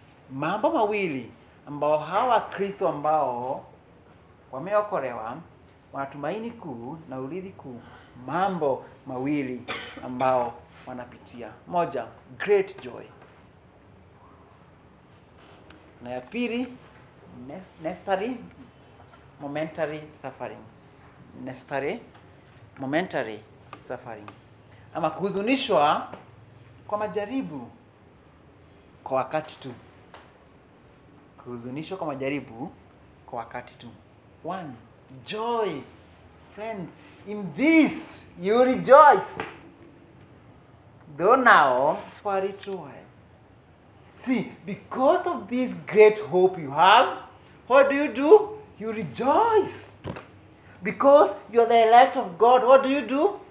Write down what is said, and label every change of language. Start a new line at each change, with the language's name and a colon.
Swahili: Mambo mawili ambao hawa Kristo ambao wameokolewa wanatumaini kuu na urithi kuu, mambo mawili ambao wanapitia. Moja,
English: great joy.
Swahili: Na ya pili,
English: necessary momentary suffering. Necessary momentary suffering.
Swahili: Ama kuhuzunishwa kwa majaribu kwa wakati tu. Kuhuzunishwa kwa majaribu kwa wakati tu.
English: One, joy. Friends, in this you rejoice. Though now, for a little while. See, because of this great hope you have, what do? You rejoice. Because you are the elect of God, what do?